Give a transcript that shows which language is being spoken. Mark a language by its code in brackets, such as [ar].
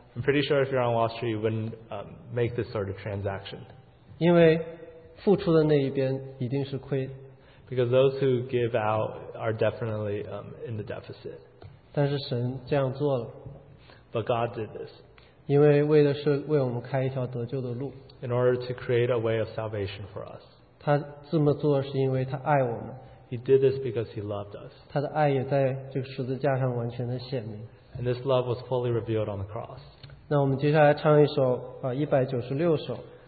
[en] I'm pretty sure if you're on Wall Street, you wouldn't make this sort of transaction. [zh] 因为付出的那一边一定是亏。 [en] Because those who give out are definitely in the deficit. [zh] 但是神这样做了。 [en] But God did this. [zh] 因为为的是为我们开一条得救的路。 [en] In order to create a way of salvation for us. [zh] 他这么做是因为他爱我们。 [en] He did this because he loved us. [zh] 他的爱也在这个十字架上完全的显明。 [en] And this love was fully revealed on the cross. [zh] 那我们接下来唱一首196首。